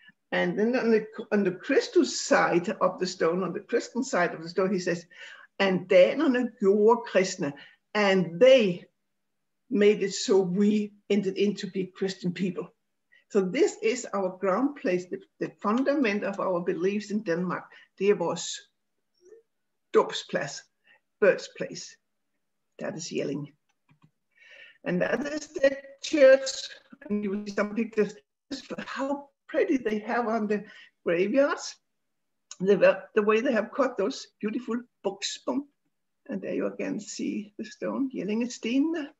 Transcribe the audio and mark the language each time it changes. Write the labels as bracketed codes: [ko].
[en] And then on the Christus side of the stone, on the Christian side of the stone, he says, and [da] Danerne gjorde kristne, [en] and they made it so we entered into be Christian people. So this is our ground place, the fundament of our beliefs in Denmark. [da] Det er vores dåbsplads, birthplace. [en] That is yelling. And that is the church. And you see some pictures for how pretty they have on the graveyards. The way they have cut those beautiful books. And there you again see the stone, yelling at Steen.